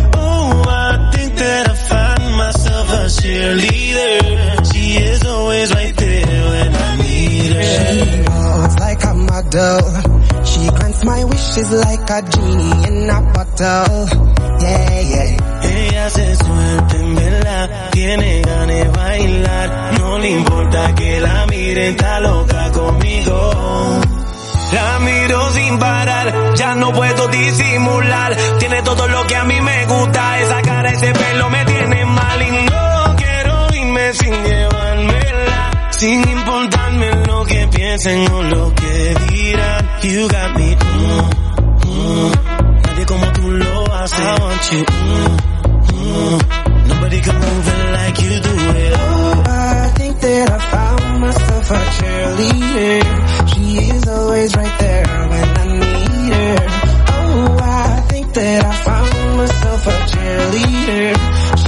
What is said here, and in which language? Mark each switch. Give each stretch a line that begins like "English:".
English: Oh, I think that I found myself a cheerleader. She is always right there when I need her. She knows like a model. She grants my wishes like a genie in a bottle. Yeah, yeah.
Spanish: Ella se suelta en vela, tiene ganas de bailar. No le importa que la miren, está loca conmigo. La miro sin parar, ya no puedo disimular. Tiene todo lo que a mí me gusta. Esa cara, ese pelo me tiene mal. Y no quiero irme sin llevármela, sin importarme lo que piensen o lo que digan.
English: You got me,
Spanish: nadie como tú lo haces.
English: lost it. I want you. Nobody can move it like you do it. Oh, I think that I found myself a cheerleader. She is always right there when I need her. Oh, I think that I found myself a cheerleader.